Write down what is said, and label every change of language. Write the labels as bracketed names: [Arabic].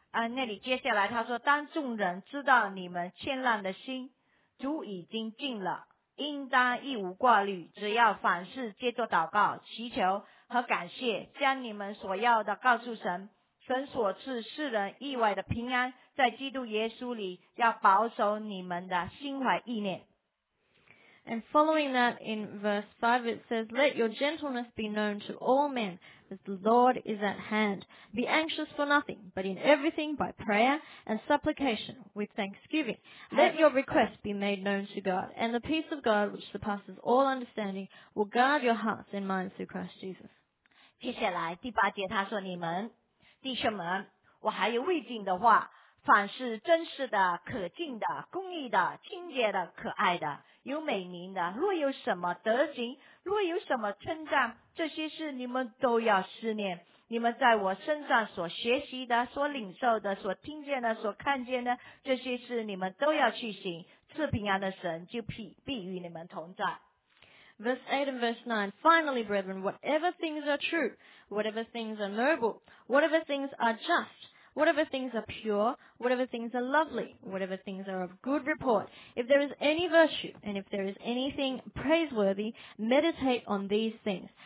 [Chinese] 那里接下来他说，当众人知道你们谦让的心，主已经尽了，应当一无挂虑，只要凡事借着祷告、祈求和感谢，将你们所要的告诉神，神所赐世人意外的平安，在基督耶稣里要保守你们的心怀意念。 [English] And following that in verse 5 it says, Let your gentleness be known to all men, as the Lord is at hand. Be anxious for nothing, but in everything by prayer and supplication with thanksgiving. Let your requests be made known to God, and the peace of God which surpasses all understanding will guard your hearts and minds through Christ Jesus. [Chinese] 接下来第八节他说，你们弟兄们，我还有未尽的话，凡是真实的、可敬的、公义的、清洁的、可爱的、有美名的，若有什么德行，若有什么称赞，这些事你们都要思念。你们在我身上所学习的、所领受的、所听见的、所看见的，这些事你们都要去行。赐平安的神就必与你们同在。 [English] Verse 8 and verse 9, Finally, brethren, whatever things are true, whatever things are noble, whatever things are just,Whatever things are pure, whatever things are lovely, whatever things are of good report, if there is any virtue, and if there is anything praiseworthy, meditate on these things.